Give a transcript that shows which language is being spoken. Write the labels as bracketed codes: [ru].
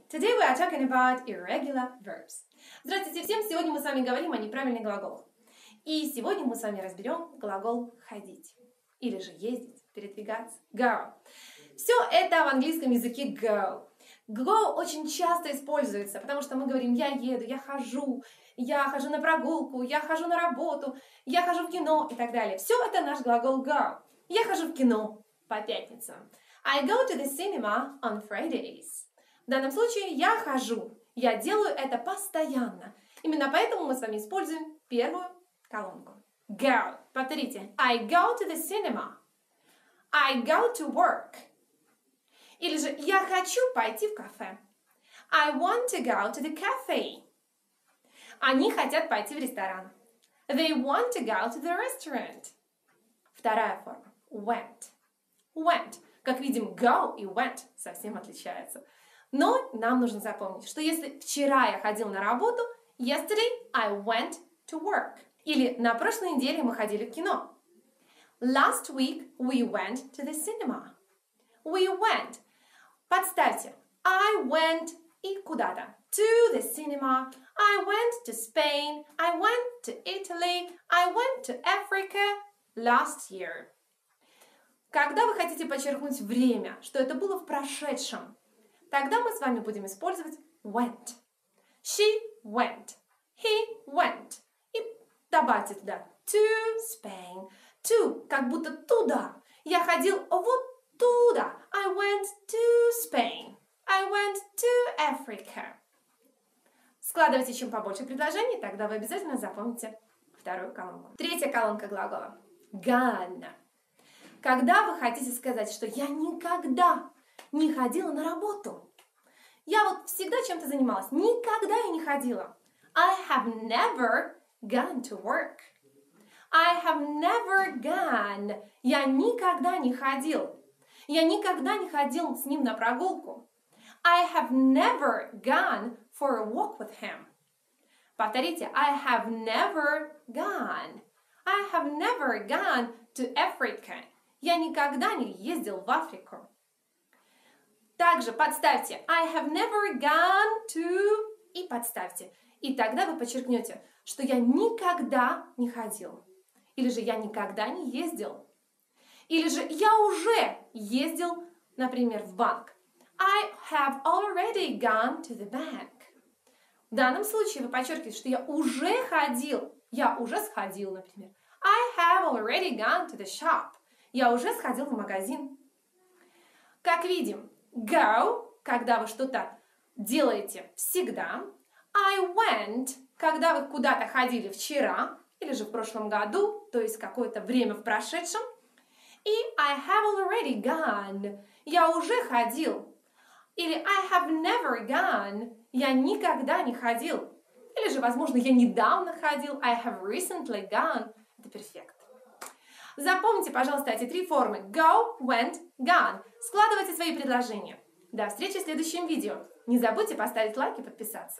[en] Today we are talking about irregular verbs. [ru] Здравствуйте всем! Сегодня мы с вами говорим о неправильных глаголах. И сегодня мы с вами разберем глагол ходить. Или же ездить, передвигаться. [en] Go! [ru] Все это в английском языке go. Go очень часто используется, потому что мы говорим «я еду», «я хожу», «я хожу на прогулку», «я хожу на работу», «я хожу в кино» и так далее. Все это наш глагол go. «Я хожу в кино» по пятницам. [en] I go to the cinema on Fridays. [ru] В данном случае я хожу. Я делаю это постоянно. Именно поэтому мы с вами используем первую колонку. [en] Go. [ru] Повторите. [en] I go to the cinema. I go to work. [ru] Или же я хочу пойти в кафе. [en] I want to go to the cafe. [ru] Они хотят пойти в ресторан. [en] They want to go to the restaurant. [ru] Вторая форма. Went. Went. Как видим, go и went совсем отличаются. Но нам нужно запомнить, что если вчера я ходил на работу, [en] yesterday I went to work. [ru] Или на прошлой неделе мы ходили в кино. [en] Last week we went to the cinema. We went. [ru] Подставьте. [en] I went [ru] и куда-то. [en] To the cinema. I went to Spain. I went to Italy. I went to Africa last year. [ru] Когда вы хотите подчеркнуть время, что это было в прошедшем, тогда мы с вами будем использовать went. [en] She went. He went. [ru] И добавьте туда [en] to Spain. [ru] To, как будто туда. Я ходил вот туда. [en] I went to Spain. I went to Africa. [ru] Складывайте чем побольше предложений, тогда вы обязательно запомните вторую колонку. Третья колонка глагола. Gone. Когда вы хотите сказать, что я никогда не ходила на работу. Я вот всегда чем-то занималась. Никогда я не ходила. [en] I have never gone to work. I have never gone. [ru] Я никогда не ходил. Я никогда не ходил с ним на прогулку. [en] I have never gone for a walk with him. [ru] Повторите. [en] I have never gone. I have never gone to Africa. [ru] Я никогда не ездил в Африку. Также подставьте [en] I have never gone to [ru] и подставьте. И тогда вы подчеркнете, что я никогда не ходил. Или же я никогда не ездил. Или же я уже ездил, например, в банк. [en] I have already gone to the bank. [ru] В данном случае вы подчеркиваете, что я уже ходил. Я уже сходил, например. [en] I have already gone to the shop. [ru] Я уже сходил в магазин. Как видим, go, когда вы что-то делаете всегда. I went, когда вы куда-то ходили вчера или же в прошлом году, то есть какое-то время в прошедшем. [en] И I have already gone. [ru] Я уже ходил. [en] Или I have never gone. [ru] Я никогда не ходил. Или же, возможно, я недавно ходил. [en] I have recently gone. [ru] Это перфект. Запомните, пожалуйста, эти три формы go, went, gone. Складывайте свои предложения. До встречи в следующем видео. Не забудьте поставить лайк и подписаться.